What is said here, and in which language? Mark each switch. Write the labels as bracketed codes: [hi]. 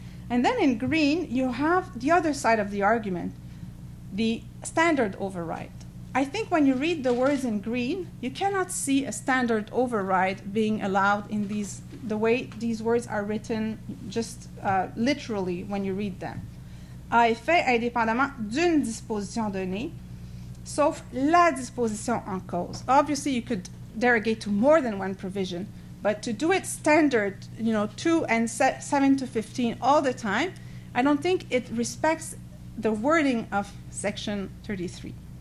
[en] And then in green, you have the other side of the argument, the standard override. I think when you read the words in green, you cannot see a standard override being allowed in the way these words are written, just literally when you read them. [fr] A effet indépendamment d'une disposition donnée, sauf la disposition en cause. [en] Obviously, you could derogate to more than one provision, but to do it standard, you know, 2 and 7 to 15 all the time, I don't think it respects the wording of Section 33.